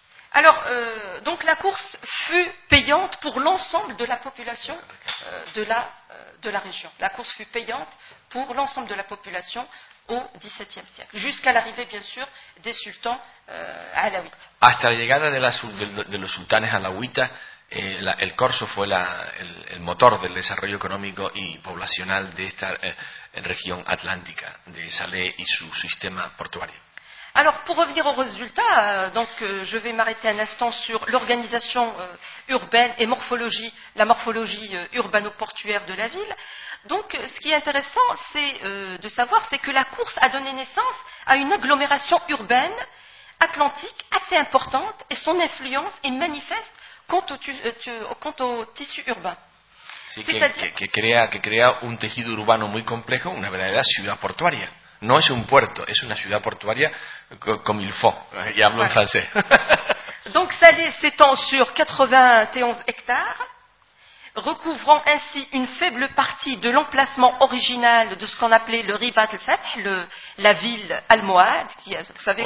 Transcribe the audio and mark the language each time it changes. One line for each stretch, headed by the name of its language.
French: Alors, donc la course fut payante pour l'ensemble de la population de la région. La course fut payante pour l'ensemble de la population au XVIIe siècle, jusqu'à l'arrivée, bien sûr, des sultans alawites.
Spanish: Hasta la llegada de los sultanes alawitas, el corso fue el motor del desarrollo económico y poblacional de esta región atlántica, de Salé y su sistema portuario.
French: Alors, pour revenir aux résultats, je vais m'arrêter un instant sur l'organisation urbaine et la morphologie urbano-portuaire de la ville. Donc, ce qui est intéressant, c'est que la course a donné naissance à une agglomération urbaine atlantique assez importante et son influence est manifeste quant au tissu urbain.
Spanish: Sí, crea un tejido urbano muy complejo, una verdadera ciudad portuaria. No es un puerto, es una ciudad portuaria
French: comme il faut.
Spanish: Y hablo en francés.
French: Donc Salé s'étend sur 91 hectares, recouvrant ainsi une faible partie de l'emplacement original de ce qu'on appelait le Ribat al-Fath, la ville almohade, qui a, vous savez,